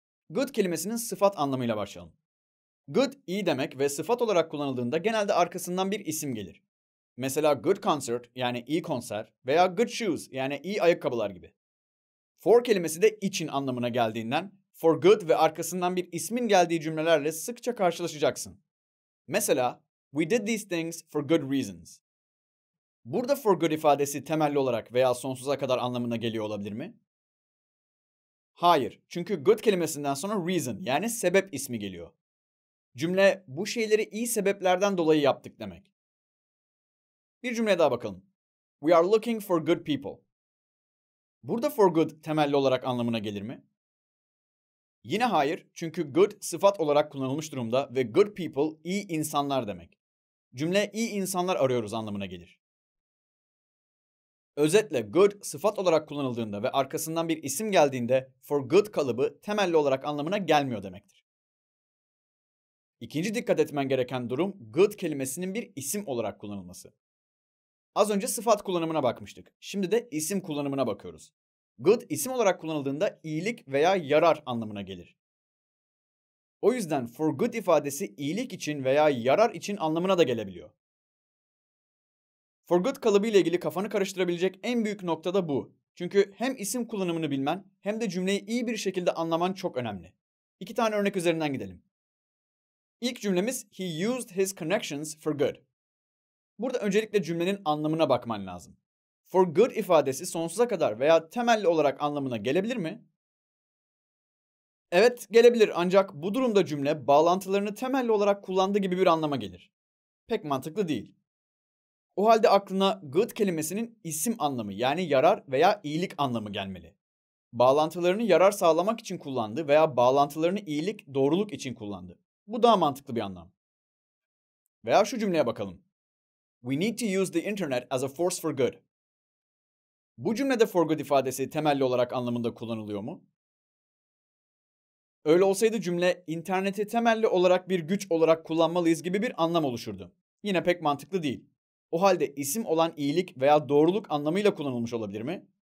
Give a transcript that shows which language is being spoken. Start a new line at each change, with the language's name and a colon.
Turkish: Good kelimesinin sıfat anlamıyla başlayalım. Good iyi demek ve sıfat olarak kullanıldığında genelde arkasından bir isim gelir. Mesela good concert yani iyi konser veya good shoes yani iyi ayakkabılar gibi. For kelimesi de için anlamına geldiğinden for good ve arkasından bir ismin geldiği cümlelerle sıkça karşılaşacaksın.
English: Mesela we did these things for good reasons.
Turkish: Burada for good ifadesi temelli olarak veya sonsuza kadar anlamına geliyor olabilir mi? Hayır, çünkü good kelimesinden sonra reason yani sebep ismi geliyor. Cümle bu şeyleri iyi sebeplerden dolayı yaptık demek. Bir cümle daha bakalım.
English: We are looking for good people.
Turkish: Burada for good temelli olarak anlamına gelir mi? Yine hayır, çünkü good sıfat olarak kullanılmış durumda ve good people iyi insanlar demek. Cümle iyi insanlar arıyoruz anlamına gelir. Özetle good sıfat olarak kullanıldığında ve arkasından bir isim geldiğinde for good kalıbı temelli olarak anlamına gelmiyor demektir. İkinci dikkat etmen gereken durum good kelimesinin bir isim olarak kullanılması. Az önce sıfat kullanımına bakmıştık. Şimdi de isim kullanımına bakıyoruz. Good isim olarak kullanıldığında iyilik veya yarar anlamına gelir. O yüzden for good ifadesi iyilik için veya yarar için anlamına da gelebiliyor. For good kalıbı ile ilgili kafanı karıştırabilecek en büyük nokta da bu. Çünkü hem isim kullanımını bilmen hem de cümleyi iyi bir şekilde anlaman çok önemli. İki tane örnek üzerinden gidelim. İlk cümlemiz
English: he used his connections for good.
Turkish: Burada öncelikle cümlenin anlamına bakman lazım. For good ifadesi sonsuza kadar veya temelli olarak anlamına gelebilir mi? Evet, gelebilir ancak bu durumda cümle bağlantılarını temelli olarak kullandığı gibi bir anlama gelir. Pek mantıklı değil. O halde aklına good kelimesinin isim anlamı yani yarar veya iyilik anlamı gelmeli. Bağlantılarını yarar sağlamak için kullandı veya bağlantılarını iyilik, doğruluk için kullandı. Bu daha mantıklı bir anlam. Veya şu cümleye bakalım.
English: We need to use the internet as a force for good.
Turkish: Bu cümlede for good ifadesi temelli olarak anlamında kullanılıyor mu? Öyle olsaydı cümle interneti temelli olarak bir güç olarak kullanmalıyız gibi bir anlam oluşurdu. Yine pek mantıklı değil. O halde isim olan iyilik veya doğruluk anlamıyla kullanılmış olabilir mi?